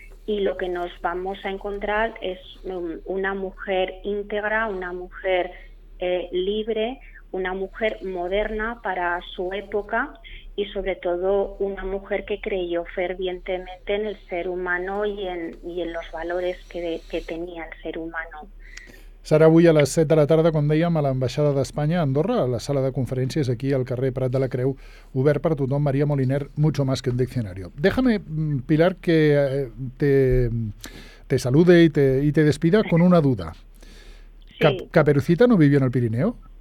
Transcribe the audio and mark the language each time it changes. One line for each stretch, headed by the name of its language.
Spanish: Y lo que nos vamos a encontrar es una mujer íntegra, una mujer libre, una mujer moderna para su época y sobre todo una mujer que creyó fervientemente en el ser humano y en los valores que tenía el ser humano.
Catalan: Serà avui a les 7 de la tarda, com dèiem, a l'Ambaixada d'Espanya a Andorra, a la sala de conferències aquí al carrer Prat de la Creu, obert per tothom, Maria Moliner, mucho más que un diccionario.
Spanish: Déjame, Pilar, que te salude y te despida con una duda. Sí. ¿Caperucita no vivió en el Pirineo?